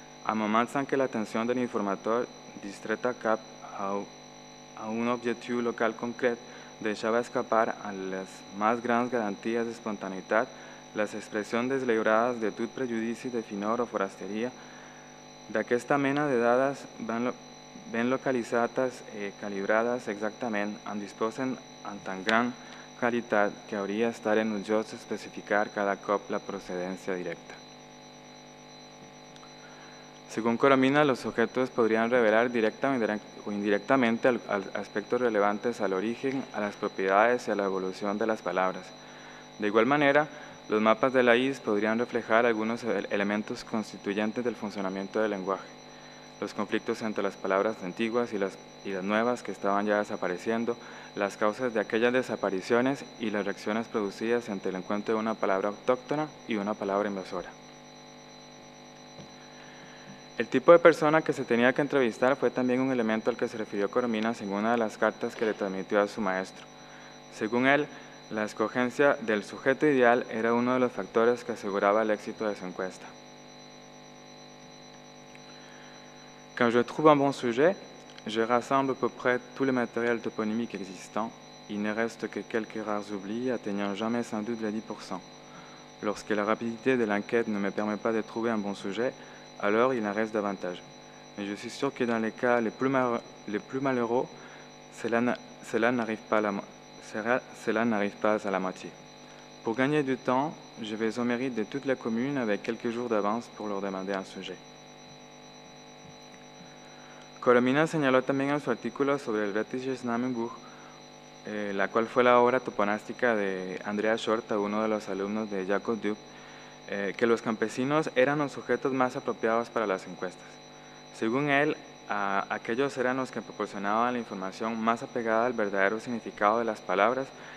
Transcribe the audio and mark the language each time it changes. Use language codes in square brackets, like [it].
[ca] A moments en que la atención del informador distreta cap a un objectiu local concret, deixava escapar a les més grans garanties d'espontaneïtat les expressions deslliurades de tot prejudici de finor o forasteria. D'aquesta mena de dades ben localitzades i calibrades exactament en disposen amb tan gran qualitat que hauria d'estar en un lloc especificar cada cop la procedència directa. [es] Según Coromina, los sujetos podrían revelar directa o indirectamente aspectos relevantes al origen, a las propiedades y a la evolución de las palabras. De igual manera, los mapas de la IS podrían reflejar algunos elementos constituyentes del funcionamiento del lenguaje, los conflictos entre las palabras antiguas y las nuevas que estaban ya desapareciendo, las causas de aquellas desapariciones y las reacciones producidas ante el encuentro de una palabra autóctona y una palabra invasora. El tipo de persona que se tenía que entrevistar fue también un elemento al que se refirió Corominas en una de las cartas que le transmitió a su maestro. Según él, la escogencia del sujeto ideal era uno de los factores que aseguraba el éxito de su encuesta. [fr] Quand je trouve un bon sujet, je rassemble à peu près tout le matériel toponymique existant. Il ne reste que quelques rares oublis, atteignant jamais sans doute les 10%. Lorsque la rapidité de l'enquête ne me permet pas de trouver un bon sujet, alors il en reste davantage. Mais je suis sûr que dans les cas les plus malheureux, cela n'arrive pas à la moitié. Pour gagner du temps, je vais au mérite de toutes les communes avec quelques jours d'avance pour leur demander un sujet. [es] Coromina señaló también en su artículo sobre el Rätisches Namenbuch, la cual fue la obra toponástica de Andrea Shorta, uno de los alumnos de Jacob Dupe, que los campesinos eran los sujetos más apropiados para las encuestas. Según él, aquellos eran los que proporcionaban la información más apegada al verdadero significado de las palabras